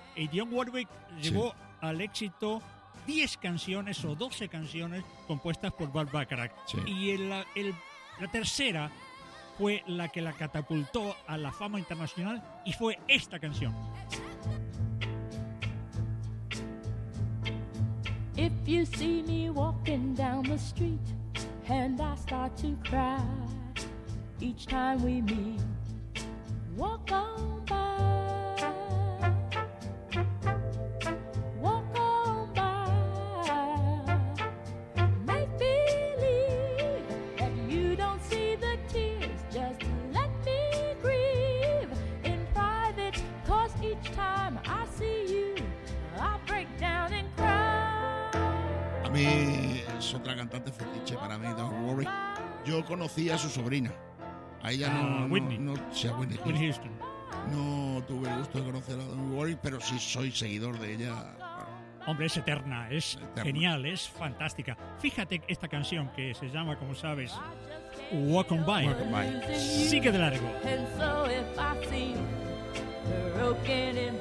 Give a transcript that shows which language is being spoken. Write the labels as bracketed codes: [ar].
[es] Y Dionne Warwick llevó al éxito 10 canciones o 12 canciones compuestas por Burt Bacharach. Sí. Y la tercera fue la que la catapultó a la fama internacional y fue esta canción. [en] If you see me walking down the street and I start to cry. Each time we meet, walk on by, walk on by, make believe that you don't see the tears, just let me grieve in private, cause each time I see you, I break down and cry. [es] A mí es otra cantante fetiche para mí, Don Warwick. Yo conocí a su sobrina. A ella no, Whitney Houston. No tuve el gusto de conocer a Don Warwick, pero sí soy seguidor de ella. Hombre, es eterna, es eterna. Genial, es fantástica. Fíjate esta canción que se llama, como sabes, Walk On By. [en] Walk On By. [es] Sigue de largo. [en] And so if I seem broken in